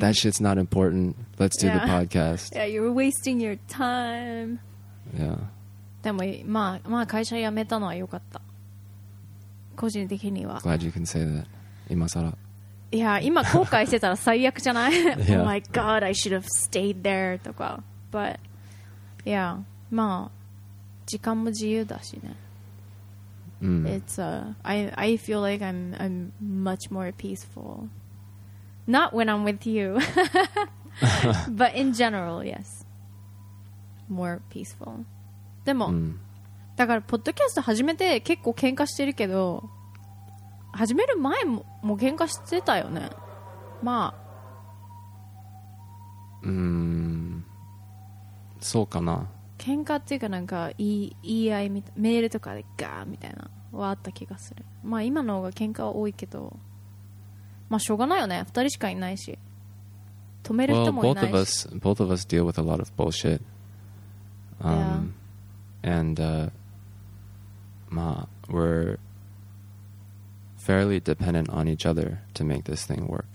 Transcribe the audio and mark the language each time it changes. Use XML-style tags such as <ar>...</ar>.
<en>That shit's not important. Let's do、 yeah. the podcast. Yeah, you're wasting your time. Yeah.</en> <ja>でも、まあ会社辞めたのは良かった。個人的には。</ja> <en>Glad you can say that.</en> <ja>今さら。いや、今後悔してたら最悪じゃない</ja> <en>yeah. Oh my god, I should have stayed there.</en> <ja>とか。</ja> <en>But, yeah.</en> <ja>まあ。時間も自由だしね。</ja> <en>I feel like I'm much more peaceful. Not when I'm with you. But in general, yes. More peaceful.</en> <ja>でも、だからポッドキャスト始めて結構喧嘩してるけど、始める前も喧嘩してたよね。まあ。そうかな。喧嘩っていうかなんか言い合いみたいメールとかでガーみたいなはあった気がする。まあ今の方が喧嘩は多いけど、まあしょうがないよね。二人しかいないし、止める人もいないし。</ja> <en>Well, both of us deal with a lot of bullshit. And</en> <ja>まあ</ja> <en>we're fairly dependent on each other to make this thing work.</en>